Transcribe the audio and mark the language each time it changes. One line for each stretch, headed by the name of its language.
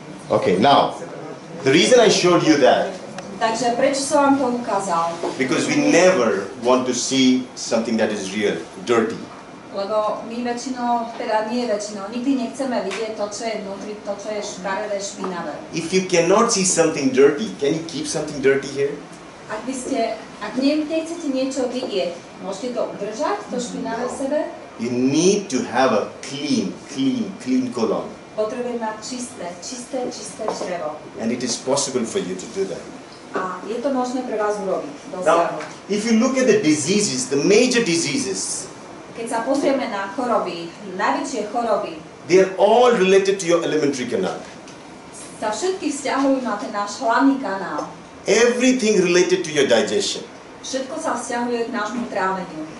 English: Okay, now, the reason I showed you that.
Slovak: Takže prečo som vám to ukázal?
English: Because we never want to see something that is real, dirty.
Slovak: Lebo my väčšinou, teda nie väčšinou, nikdy nechceme vidieť to, čo je vnútri, to, čo je škaredé, špinavé.
English: If you cannot see something dirty, can you keep something dirty here?
Slovak: Ak by ste, ak nechcete niečo vidieť, môžete to udržať, to špinavé v sebe?
English: You need to have a clean colon.
Slovak: Potrebujem mať čisté črevo.
English: And it is possible for you to do that.
Slovak: A je to možné pre vás urobiť.
English: Now, if you look at the diseases, the major diseases,
Slovak: keď sa pozrieme na choroby, najväčšie choroby,
English: they are all related to your alimentary canal.
Slovak: Sa všetky vzťahujú na ten náš hlavný kanál.
English: Everything related to your digestion.
Slovak: Všetko sa vzťahuje k nášmu tráveniu.